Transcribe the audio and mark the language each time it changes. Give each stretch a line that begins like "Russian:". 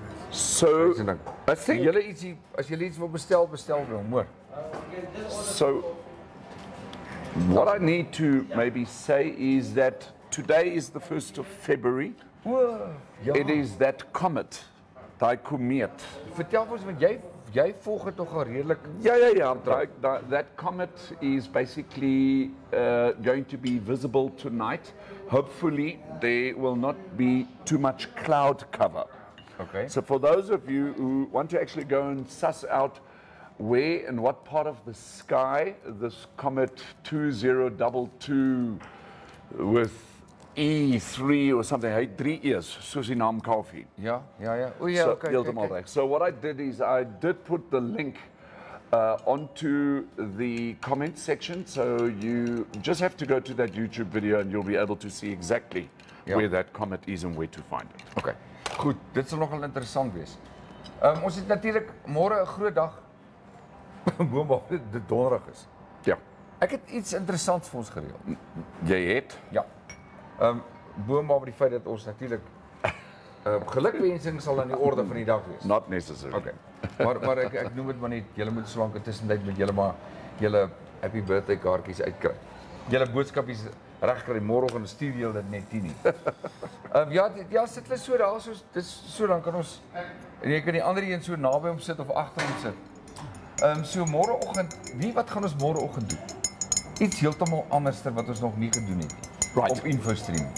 English: So So what I need to maybe say is that today is the 1st of February.
Afrikaans: Ja.
English: It is that comet.
Afrikaans: Daai komeet. Vertel ons want jy volg dit nogal redelik. Ja.
English: That comet is basically going to be visible tonight. Hopefully there will not be too much cloud cover. Okay. So for those of you who want to actually go and suss out where and what part of the sky this comet 2022 with E3 or something, hey, 3 years, Susie Nam Kaufeee. Yeah. Oh, yeah, so, okay. Right. So what I did is I did put the link onto the comment section. So you just have to go to that YouTube video and you'll be able to see exactly where that comet is and where to find it.
Afrikaans: Okay. Goed, dit sal nogal interessant wees. Ons het natuurlik môre 'n groot dag. Boomal dit donderig is. Ja. Ek het iets interessants vir ons gereël. Jy het? Ja. Boomal die feit dat ons natuurlik gelukwensings sal aan die orde van die dag wees.
English: Not necessary. Okay.
Afrikaans: Maar ek noem dit maar net, julle moet slank intussenuit met julle maar julle happy birthday kaartjies uitkry. Julle boodskapies reg kry môreoggend stuur jy dit net 10:00. Ja, sit hulle so daar so dis so dan kan ons en jy kan die ander een so naby hom sit of agter hom sit. So môreoggend, wie wat gaan ons môreoggend doen? Iets heeltemal anderster wat ons nog nie gedoen het nie.
English: Right.
Afrikaans: Op InfoStream.